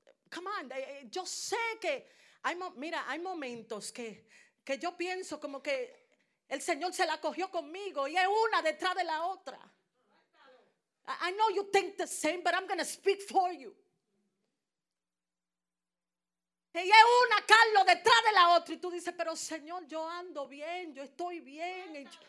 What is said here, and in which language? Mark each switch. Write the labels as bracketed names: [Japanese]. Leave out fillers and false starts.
[English] Come on. [Spanish] Yo sé que hay momentos que yo pienso como que el Señor se la cogió conmigo y es una detrás de la otra. [English] I know you think the same, but I'm going to speak for you. [Spanish] Y es una, Carlos, detrás de la otra. Y tú dices, pero Señor, yo ando bien, yo estoy bien.